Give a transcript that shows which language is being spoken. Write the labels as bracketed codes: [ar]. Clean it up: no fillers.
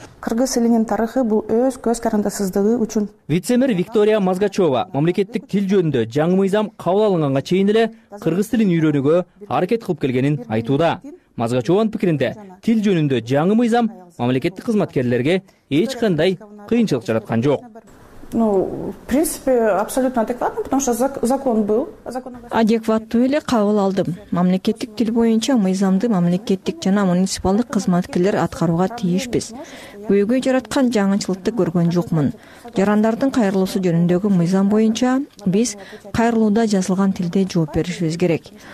[ky] Кыргыз тилинин тарыхы бул өз көз карандысыздыгы үчүн. Вице-мэр Виктория Мазгачева мамлекеттик тил жөнүндө жаңы мыйзам кабыл алынганга чейин эле кыргыз тилин үйрөнүүгө аракет кылып келгенин айтууда. Мазгачеванын пикиринде тил жөнүндө жаңы мыйзам мамлекеттик кызматкерлерге эч кандай кыйынчылык жараткан жок. [ru] Ну, в принципе, абсолютно адекватно, потому что закон был. [ky] Адекваттуу эле кабыл алдым. Мамлекеттик тил боюнча мыйзамды мамлекеттик жана муниципалдык кызматкерлер аткарууга тийишпиз. Бүгүнкү жараткан жаңычылыкты көргөн жокмун. Жарандардын кайрылуусу жөнүндөгү мыйзам боюнча биз кайрылууда жазылган тилде жооп беришибиз керек.